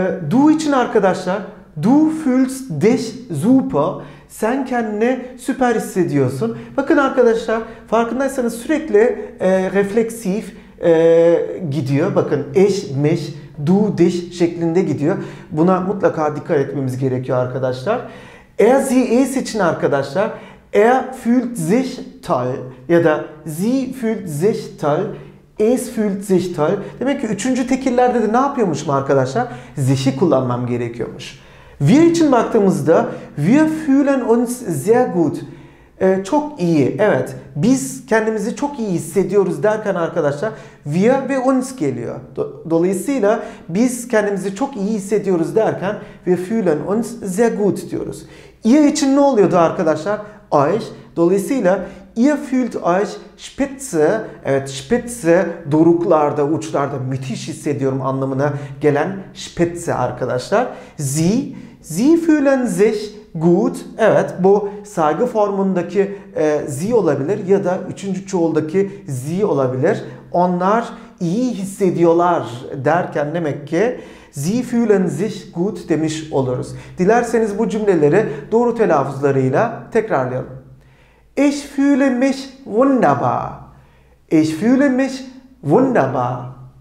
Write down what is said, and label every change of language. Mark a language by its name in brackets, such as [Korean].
[Turkish] Du için arkadaşlar, [German] du fühlst dich super, [Turkish] sen kendini süper hissediyorsun. Bakın arkadaşlar, farkındaysanız sürekli refleksif gidiyor. Bakın, ich, mich, du, dich şeklinde gidiyor. Buna mutlaka dikkat etmemiz gerekiyor arkadaşlar. [German] Er, sie, es [Turkish] için arkadaşlar, [German] er fühlt sich toll [Turkish] ya da [German] sie fühlt sich toll, es fühlt sich toll. [Turkish] Demek ki üçüncü tekillerde de ne yapıyormuşum arkadaşlar? Sich'i kullanmam gerekiyormuş. [German] Wir [Turkish] için baktığımızda [German] wir fühlen uns sehr gut. [Turkish] Çok iyi, evet. Biz kendimizi çok iyi hissediyoruz derken arkadaşlar wir ve uns geliyor. Dolayısıyla biz kendimizi çok iyi hissediyoruz derken [German] wir fühlen uns sehr gut [Turkish] diyoruz. [German] Ihr [Turkish] için ne oluyordu arkadaşlar? [German] Euch. [Turkish] Dolayısıyla [German] ihr fühlt euch spitze. [Turkish] Evet, spitze doruklarda, uçlarda müthiş hissediyorum anlamına gelen spitze arkadaşlar. Sie. [German] Sie fühlen sich gut, [Turkish] evet, bu saygı formundaki sie olabilir ya da üçüncü çoğuldaki sie olabilir. Onlar iyi hissediyorlar derken demek ki [German] sie fühlen sich gut [Turkish] demiş oluruz. Dilerseniz bu cümleleri doğru telaffuzlarıyla tekrarlayalım. [German] Ich fühle mich wunderbar. Ich fühle mich wunderbar.